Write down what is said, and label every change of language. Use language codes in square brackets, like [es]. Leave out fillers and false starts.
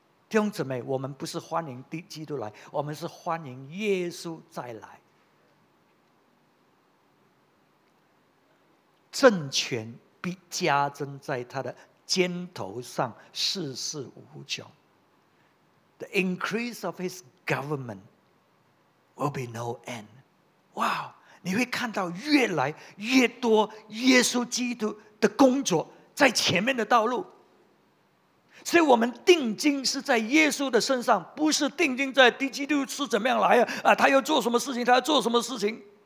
[zh] 弟兄姊妹，我们不是欢迎基督来，我们是欢迎耶稣再来。政权必加增在他的肩头上，世世无穷。 [en] The increase of his government will be no end. [zh] Wow, 你会看到越来越多耶稣基督的工作在前面的道路。所以我们定睛是在耶稣的身上，不是定睛在基督是怎么样来啊，他要做什么事情，他要做什么事情。